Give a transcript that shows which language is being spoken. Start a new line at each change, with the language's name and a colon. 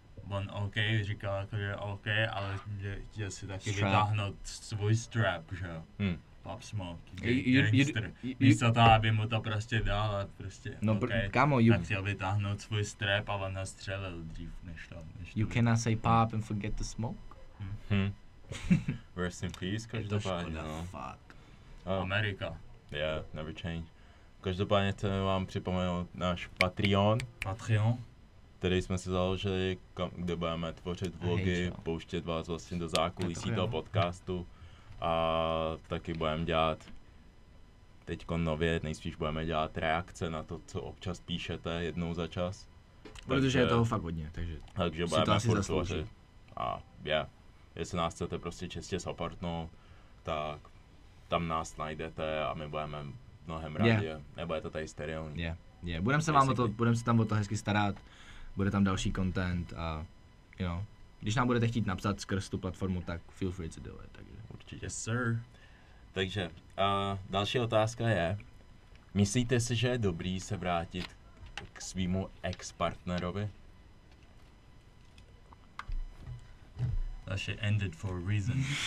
Czech: On OK, říkal jako, že OK, ale chtěl si taky vytáhnout svůj strap, že jo. Pop Smoke, gangster. Místo toho, aby mu to prostě dal a prostě, no, okay, kamo, tak chtěl vytáhnout svůj strep a on nastřelil dřív, než to. Než
English: you cannot say pop and forget the smoke? Hmm. Rest in peace,
Czech: každopádně. No. Fuck. Oh. Amerika.
English: Yeah, never change.
Czech: Každopádně chceme vám připomenout náš Patreon. Patreon. Který jsme si založili, kde budeme tvořit vlogy, pouštět vás vlastně do zákulisí toho podcastu. A taky budeme dělat teďko nově, nejspíš budeme dělat reakce na to, co občas píšete jednou za čas. Protože takže, je toho fakt hodně, takže, takže si budeme to asi zaslouží. A yeah, jestli nás chcete prostě čistě supportnout, tak tam nás najdete a my budeme mnohem rádi. Yeah. Nebo je to tady sterilní. Yeah. Yeah. Budeme se vám o to, budeme se tam o to hezky starat, bude tam další content a
English: you know,
Czech: když nám budete chtít napsat skrz tu platformu, tak
English: feel free to do it. Yes, sir.
Czech: Takže, další otázka je, myslíte si, že je dobrý se vrátit k svýmu ex-partnerovi?
English: That shit ended for a reason.